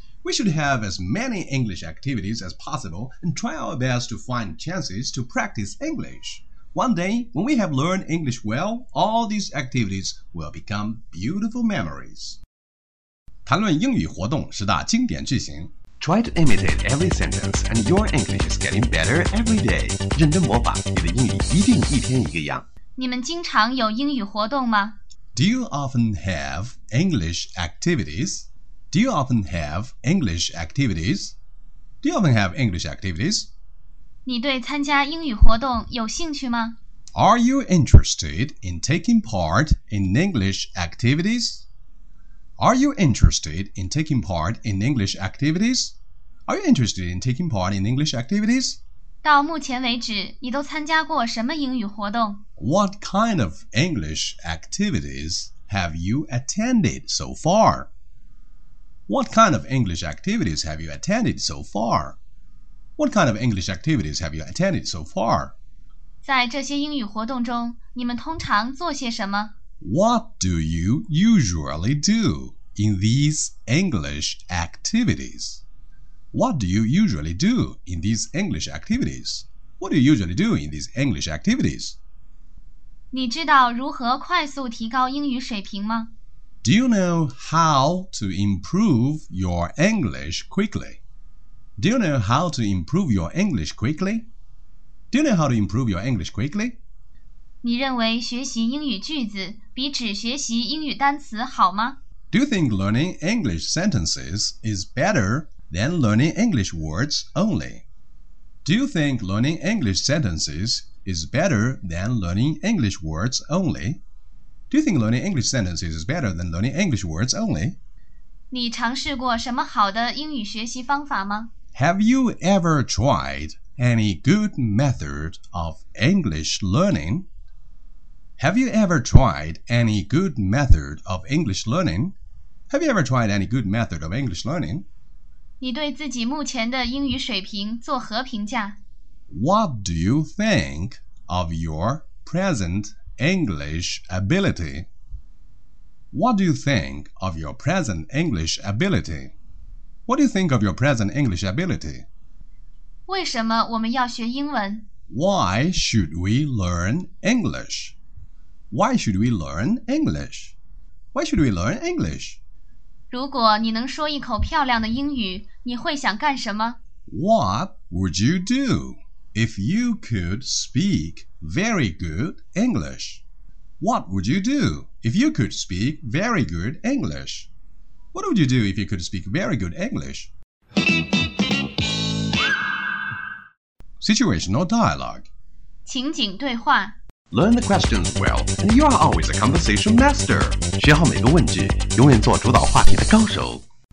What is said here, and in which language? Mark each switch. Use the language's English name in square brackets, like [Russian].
[English] We should have as many English activities as possible and try our best to find chances to practice English. One day, when we have learned English well, all these activities will become beautiful memories. [Chinese] 谈论英语活动十大经典句型。 [English] Try to imitate every sentence and your English is getting better every day. [Chinese] 认真模仿，你的英语一定一天一个样。你们经常有英语活动吗？ [English] Do you often have English activities? Do you often have English activities? Do you often have English activities? [Chinese] 你对参加英语活动有兴趣吗？ [English] Are you interested in taking part in English activities? Are you interested in taking part in English activities? Are you interested in taking part in English activities? [Chinese] 到目前为止，你都参加过什么英语活动？ [English] What kind of English activities have you attended so far? What kind of English activities have you attended so far? What kind of English activities have you attended so far? [Chinese] 在这些英语活动中，你们通常做些什么？ [English] What do you usually do in these English activities? What do you usually do in these English activities? What do you usually do in these English activities? [Chinese] 你知道如何快速提高英语水平吗？ [English] Do you know how to improve your English quickly? Do you know how to improve your English quickly? Do you know how to improve your English quickly? [Chinese] 你认为学习英语句子比只学习英语单词好吗？ [English] Do you think learning English sentences is better than learning English words only? Do you think learning English sentences is better than learning English words only? Do you think learning English sentences is better than learning English words only? [Chinese] 你尝试过什么好的英语学习方法吗？ [English] Have you ever tried any good method of English learning? Have you ever tried any good method of English learning? Have you ever tried any good method of English learning? [Chinese] 你对自己目前的英语水平作何评价？ [English] What do you think of your present English ability? What do you think of your present English ability? What do you think of your present English ability? [Chinese] 为什么我们要学英文？ [English] Why should we learn English? Why should we learn English? Why should we learn English? [Chinese] 如果你能说一口漂亮的英语，你会想干什么？ [English] What would you do if you could speak very good English? What would you do if you could speak very good English? What would you do if you could speak very good English? Situational dialogue. [Chinese] 情景对话。 [English] Learn the questions well, and you are always a conversation master. [Chinese] 学好每个问句，永远做主导话题的高手。